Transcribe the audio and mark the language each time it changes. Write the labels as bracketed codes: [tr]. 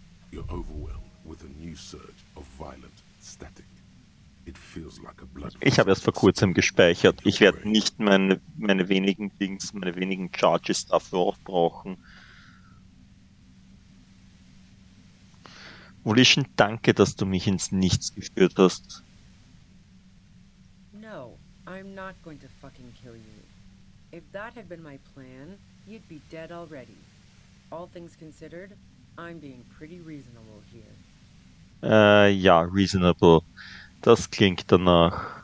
[en] You're overwhelmed with a new surge of violent static. It feels like a blood. [de] Ich habe erst vor kurzem gespeichert. Ich werde nicht meine wenigen Charges dafür aufbrauchen. Volition, danke, dass du mich ins Nichts geführt hast. [en] No, I'm not going to fucking kill you. If that had been my plan, you'd be dead already. All things considered, I'm being pretty reasonable here. [de] Ja, reasonable. Das klingt danach.